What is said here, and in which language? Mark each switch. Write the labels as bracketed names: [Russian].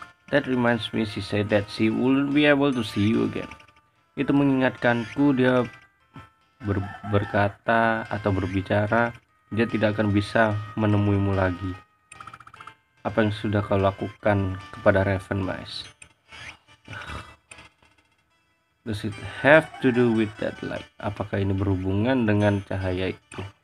[English] That reminds me, she said that she wouldn't be able to see you again. [Indonesian] Itu mengingatkanku, dia berkata atau berbicara, dia tidak akan bisa menemuimu lagi. Apa yang sudah kau lakukan kepada Raven, Mais? [English] Does it have to do with that light? [Indonesian] Apakah ini berhubungan dengan cahaya itu?